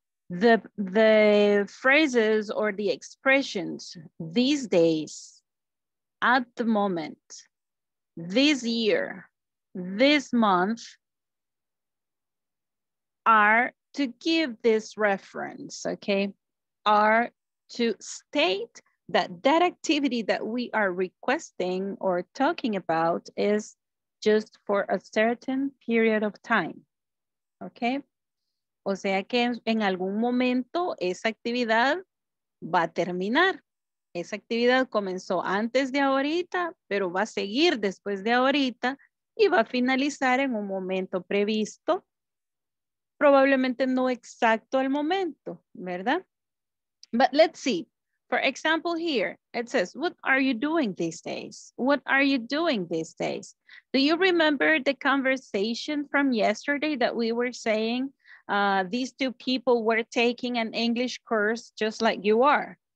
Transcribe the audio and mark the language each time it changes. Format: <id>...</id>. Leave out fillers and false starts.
<en>The phrases or the expressions, these days, at the moment, this year, this month, are to give this reference, okay? Are to state that that activity that we are requesting or talking about is just for a certain period of time, okay?</en> <es>O sea que en algún momento esa actividad va a terminar. Esa actividad comenzó antes de ahorita, pero va a seguir después de ahorita y va a finalizar en un momento previsto, probablemente no exacto al momento, ¿verdad?</es> <en>But let's see. For example here, it says, what are you doing these days? What are you doing these days? Do you remember the conversation from yesterday that we were saying these two people were taking an English course just like you are?</en>